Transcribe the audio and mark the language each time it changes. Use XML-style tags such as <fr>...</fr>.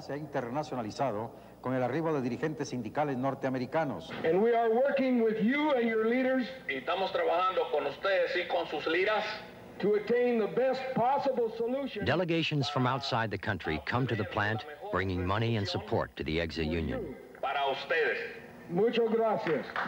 <es>se ha internacionalizado con el arribo de dirigentes sindicales norteamericanos.</es> <en>And we are working with you and your leaders.</en> <es>Y estamos trabajando con ustedes y con sus liras.</es> <en>To attain the best possible solution. Delegations from outside the country come to the plant, bringing money and support to the EXA union.</en> <es>Para ustedes. Muchas gracias.</es>